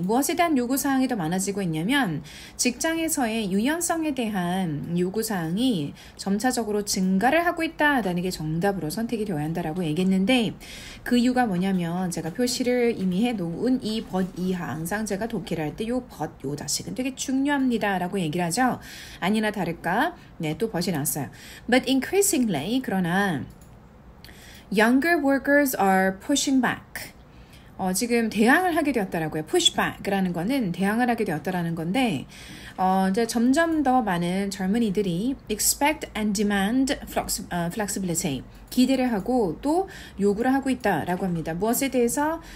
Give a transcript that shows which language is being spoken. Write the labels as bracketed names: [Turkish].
[Korean] 무엇에 대한 요구사항이 더 많아지고 있냐면 직장에서의 유연성에 대한 요구사항이 점차적으로 증가를 하고 있다라는 게 정답으로 선택이 되어야 한다라고 얘기했는데 그 이유가 뭐냐면 제가 표시를 이미 해놓은 이 but 이하 항상 제가 독해를 할 때 요 but 요 자식은 되게 중요합니다라고 얘기를 하죠. 아니나 다를까 네 또 but이 나왔어요. [English] But increasingly [Korean] 그러나 [English] younger workers are pushing back. [Korean] 지금 대항을 하게 되었더라고요. Pushback라는 거는 대항을 하게 되었더라는 건데 이제 점점 더 많은 젊은이들이 [English] expect and demand flexibility [Korean] 기대를 하고 또 요구를 하고 있다라고 합니다. 무엇에 대해서?